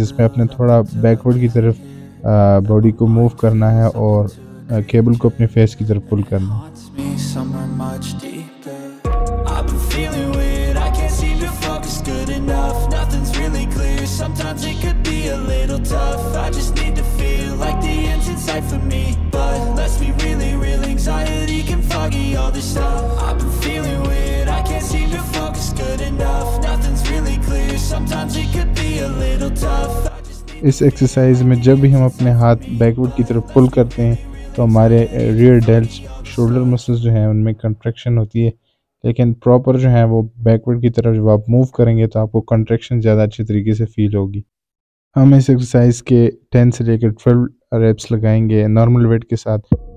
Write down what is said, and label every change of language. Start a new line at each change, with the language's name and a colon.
Hindi: इसमें अपने थोड़ा बैकवर्ड की तरफ बॉडी को मूव करना है और केबल को अपने फेस की तरफ पुल करना है.
English: all this stuff. I've been feeling weird, I can't seem to focus good enough. Nothing's really clear, sometimes it could be a little tough.
Hindi: इस एक्सरसाइज में जब भी हम अपने हाथ बैकवर्ड की तरफ पुल करते हैं तो हमारे रियर डेल्ट शोल्डर मसल्स जो हैं उनमें कंट्रैक्शन होती है, लेकिन प्रॉपर जो है वो बैकवर्ड की तरफ जब आप मूव करेंगे तो आपको कंट्रैक्शन ज़्यादा अच्छे तरीके से फील होगी। हम इस एक्सरसाइज के 10 से लेकर 12 रेप्स लगाएंगे नॉर्मल वेट के साथ।